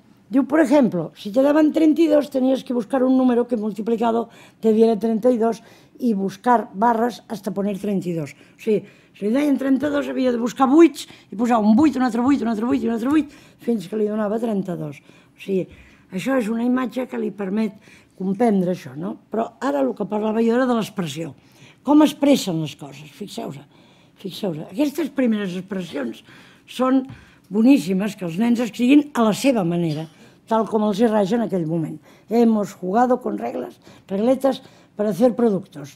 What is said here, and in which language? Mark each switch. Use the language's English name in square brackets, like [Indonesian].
[Catalan] Diu, [Spanish] por ejemplo, si te daban 32, tenías que buscar un número que multiplicado te diera 32 y buscar barras hasta poner 32. [Catalan] O sigui, si li deien 32, havia de buscar 8 i posar un 8, un altre 8, un altre 8 i un altre 8, fins que li donava 32. O sigui, això és una imatge que li permet comprendre això, no? Però ara el que parlava jo era de l'expressió. Com expressen les coses? Fixeu-se, fixeu-se. Aquestes primeres expressions són boníssimes, que els nens escriguin a la seva manera, tal com els hi raja en aquell moment. [Spanish] Hemos jugado con reglas, regletes [Catalan] per a fer [Spanish] productos.